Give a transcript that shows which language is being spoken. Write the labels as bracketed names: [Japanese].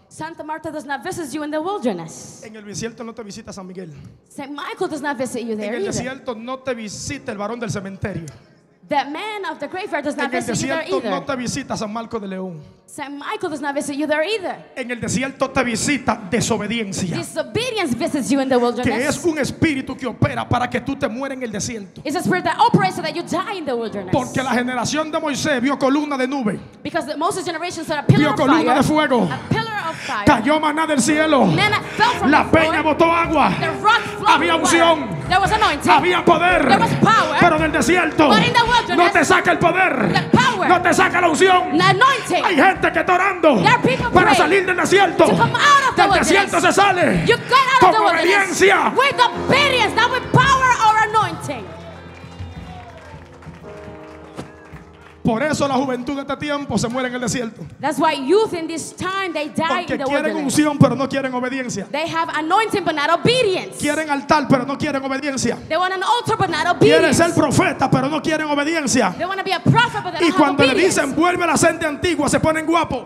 [English] Santa Marta does not visit you in the wilderness. [Spanish] En el desierto no te visita San Miguel. [English] Saint Michael does not visit you there either. [Spanish] En el desierto no te visita el varón del cementerio. [English] That man of the graveyard does not visit you there either. [Spanish] En el desierto no te visita San Marco de León. [English] Saint Michael does not visit you there either. [Spanish] En el desierto te visita desobediencia. [English] Disobedience visits you in the wilderness. [Spanish] Que es un espíritu que opera para que tú te mueras en el desierto. [English] It's a spirit that operates so that you die in the wilderness. [Spanish] Porque la generación de Moisés vio columna de nube. [English] Because the Moses generation saw a pillar of [Spanish] columna [English] fire, [Spanish] de fuego. [English] A pillar of fire. [Spanish] Cayó maná del cielo. [English] Manna fell from [Spanish] la peña botó agua. [English] The rock flowed. [Spanish] Había unción. [English] There was anointing. [Spanish] Había poder. [English] There was power. [Spanish] Pero en el desierto. [English] But in the wilderness. [Spanish] No te saca el poder. [English] The power. [Spanish] No te saca la unción. [English] The anointing. [Spanish] Hay gente que está orando para salir del desierto. Del desierto se sale con obediencia. [English] With obedience, not with power or anointing. [Spanish] Por eso la juventud de este tiempo se muere en el desierto. [English] That's why youth in this time they die [Spanish] porque [English] in the [Spanish] quieren [English] wilderness. [Spanish] Unción pero no quieren obediencia. [English] They have anointing but not obedience. [Spanish] Quieren altar pero no quieren obediencia. [English] They want an altar but not obedience. [Spanish] Quieren ser profeta pero no quieren obediencia. [English] They want to be a prophet but they don't [Spanish] y cuando [English] have obedience. [Spanish] Le dicen vuelve a la senda antigua se ponen guapo.